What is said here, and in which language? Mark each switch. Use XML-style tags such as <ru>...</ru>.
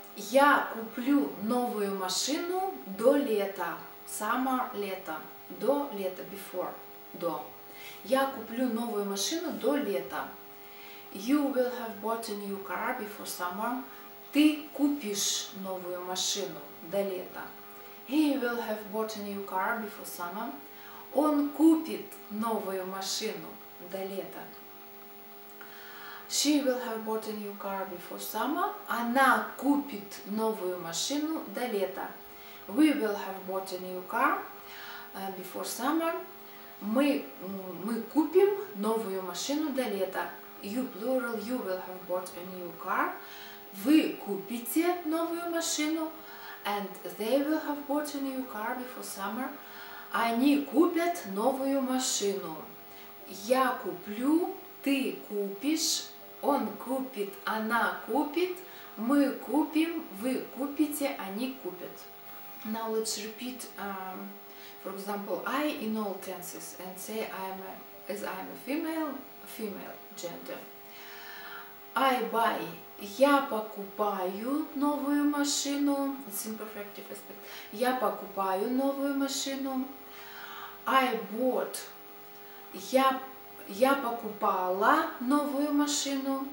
<ru>Я куплю новую машину до лета. Summer, лето. До лета, before, до. Я куплю новую машину до лета.</ru> <en>You will have bought a new car before summer.</en> <ru>Ты купишь новую машину до лета.</ru> <en>He will have bought a new car before summer.</en> <ru>Он купит новую машину до лета.</ru> <en>She will have bought a new car before summer.</en> <ru>Она купит новую машину до лета.</ru> <en>We will have bought a new car before summer.</en> <ru>Мы купим новую машину до лета.</ru> <en>You plural, you will have bought a new car.</en> <ru>Вы купите новую машину.</ru> <en>And they will have bought a new car before summer.</en> <ru>Они купят новую машину. Я куплю, ты купишь, он купит, она купит, мы купим, вы купите, они купят.</ru> <en>Now let's repeat, for example, I in all tenses and say I'm a female gender. I buy,</en> <ru>я покупаю новую машину.</ru> <en>It's imperfective aspect.</en> <ru>Я покупаю новую машину.</ru> <en>I bought,</en> <ru>Я покупала новую машину.</ru>